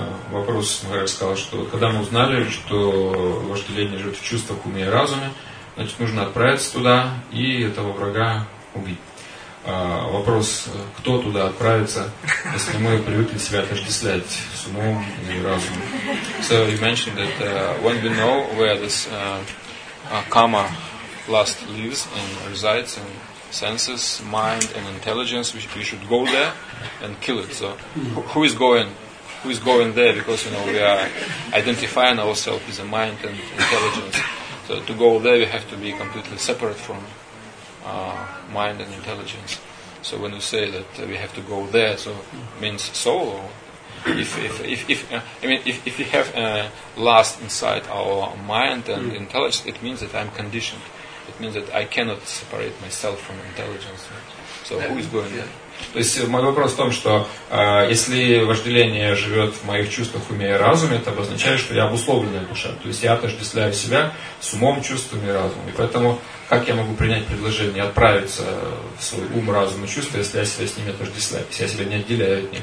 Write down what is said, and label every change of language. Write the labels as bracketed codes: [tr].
[ru] Вопрос Махарадж сказал, что когда мы узнали, что вожделение живет в чувствах, уме и разуме, значит, нужно отправиться туда и этого врага убить. Вопрос, кто туда отправится, если мы привыкли себя отождествлять с умом и разумом. [en] So you mentioned that when we know where this karma lust lives and resides in senses, mind and intelligence, we should go there and kill it. So who is going? Who is going there? Because you know we are identifying ourselves with the mind and intelligence. So to go there, we have to be completely separate from mind and intelligence. So when you say that we have to go there, so means soul. Or if we have lust inside our mind and intelligence, it means that I'm conditioned. It means that I cannot separate myself from intelligence. So who is going there? [ru] То есть мой вопрос в том, что если вожделение живет в моих чувствах, уме и разуме, это обозначает, что я обусловленная душа. То есть я отождествляю себя с умом, чувствами и разумом. И поэтому как я могу принять предложение отправиться в свой ум, разум и чувства, если я себя с ними отождествляю, если я себя не отделяю от них?